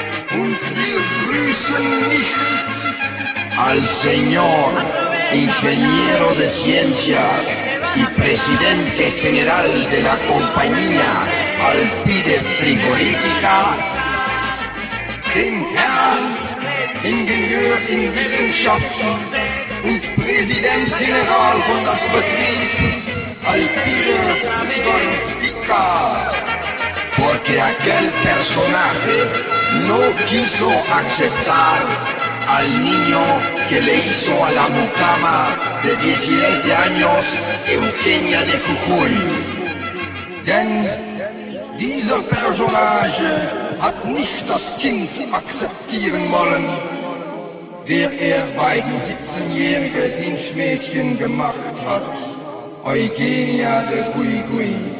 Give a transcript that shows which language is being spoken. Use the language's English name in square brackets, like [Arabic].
[German] Und wir grüßen nicht [Spanish] al señor ingeniero de ciencias y presidente general de la compañía Alpide Frigorífica, [German] den Herrn Ingenieur in Wissenschaften und Präsident General von das Betrieb Alpide Frigorífica, [Spanish] porque aquel personaje no quiso aceptar al niño que le hizo a la mucama de 17 años, Eugenia de Jujuy. [German] Denn dieser Personage hat nicht das Kind akzeptieren wollen, der er beiden 17-jährigen Dienstmädchen gemacht hat, Eugenia de Jujuy.